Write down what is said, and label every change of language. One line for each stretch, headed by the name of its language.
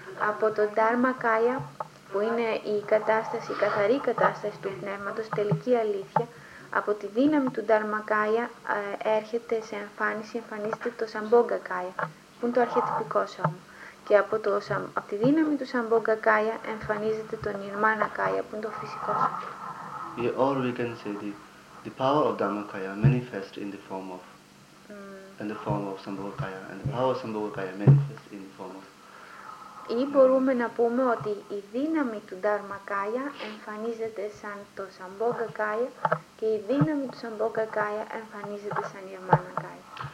Greek: από το Dharmakaya, που είναι η κατάσταση, η καθαρή κατάσταση του πνεύματος, τελική αλήθεια, από τη δύναμη του Dharmakaya έρχεται σε εμφάνιση, εμφανίζεται το Sambhogakaya, που είναι το αρχιετυπικό σώμα. Και από τη δύναμη του Sambhogakaya εμφανίζεται το Nirmanakaya, που είναι το φυσικό σώμα.
English: Yeah, or we can say the power of Dharmakaya manifests in the form of and the form of Sambhogakaya, and the power of Sambhogakaya manifests in the form of.
Greek: Ή μπορούμε να πούμε ότι η δύναμη του Dharmakaya εμφανίζεται σαν το Sambhogakaya και η δύναμη του Sambhogakaya εμφανίζεται σαν Nirmanakaya.